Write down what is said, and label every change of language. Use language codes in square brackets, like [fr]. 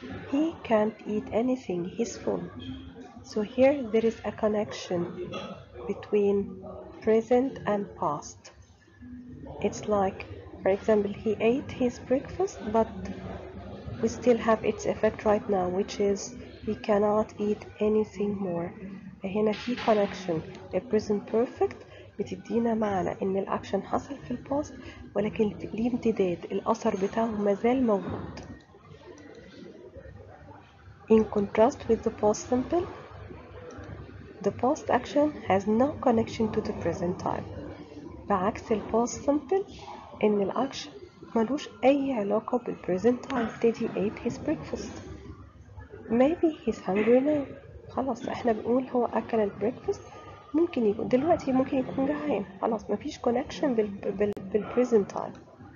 [en] He can't eat anything, he's full. So here there is a connection between present and past. It's like, for example, he ate his breakfast, but we still have its effect right now, which is he cannot eat anything more. [ar] هنا في connection. The present perfect بتدينا معنى ان الاكشن حصل في الباست ولكن ليه امتداد الاثر بتاعه مازال موجود. [en] In contrast with the past simple, the past action has no connection to the present time. [ar] بعكس الباست سمبل ان الاكشن ملوش اي علاقة بالpresent time. [en] Teddy ate his breakfast. Maybe he's hungry now. [ar] خلاص احنا بنقول هو اكل البريكفاست ممكن يكون دلوقتي ممكن يكون جعان. خلاص مفيش connection بالpresent time.